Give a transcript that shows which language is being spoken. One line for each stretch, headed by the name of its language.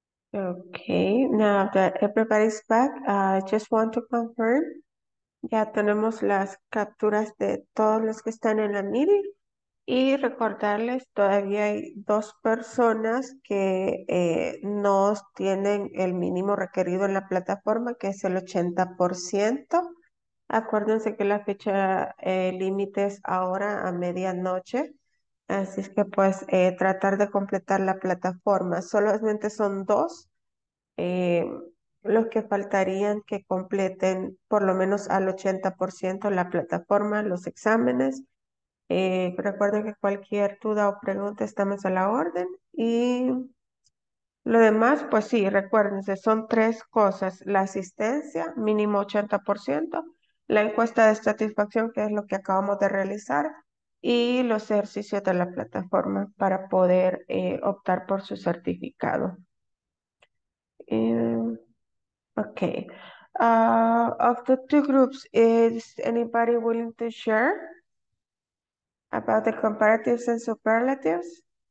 English: Okay, now that everybody's back, I just want to confirm.
Spanish: Ya tenemos las capturas de todos los que están en la meeting. Y recordarles, todavía hay dos personas que no tienen el mínimo requerido en la plataforma, que es el 80%. Acuérdense que la fecha límite es ahora a medianoche. Así es que pues tratar de completar la plataforma. Solamente son dos los que faltarían que completen por lo menos al 80% la plataforma, los exámenes. Recuerden que cualquier duda o pregunta estamos a la orden. Y lo demás, pues sí, recuérdense, son tres cosas. La asistencia, mínimo 80%. La encuesta de satisfacción, que es lo que acabamos de realizar. Y los ejercicios de la plataforma para poder optar por su certificado.
English: Of the two groups, is anybody willing to share about the comparatives and superlatives?